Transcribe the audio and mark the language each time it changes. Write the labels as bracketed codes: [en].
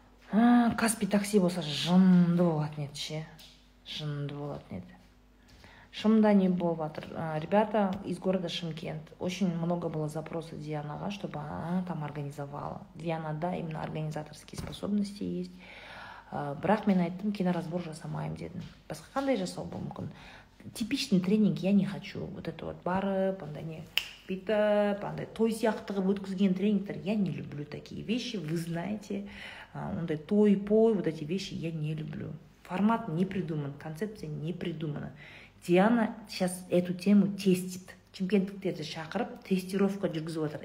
[kk] Каспи такси болса жынды болатын еді ше, жынды болатын еді. Шымда не болып жатыр? [ru] Ребята из города Шымкент. Очень много было запроса Дианаға, чтобы она там организовала. Диана, да, именно организаторские способности есть. [kk] Бірақ мен айттым, киноразбор жасамайым дедім. Басқа қандай жасау болу мүмкін? [ru] Типичный тренинг я не хочу. [kk] Вот это вот барып, андай не бүйтіп, андай той сияқты қылып өткізген тренингтер. [ru] Я не люблю такие вещи, вы знаете. [kk] Ондай той, пой, [ru] вот эти вещи я не люблю. Формат не придуман, концепция не придумана. Диана сейчас эту тему тестит. [kk] Чемпионтиктерді шақырып, тестировка жүргізіп отыр.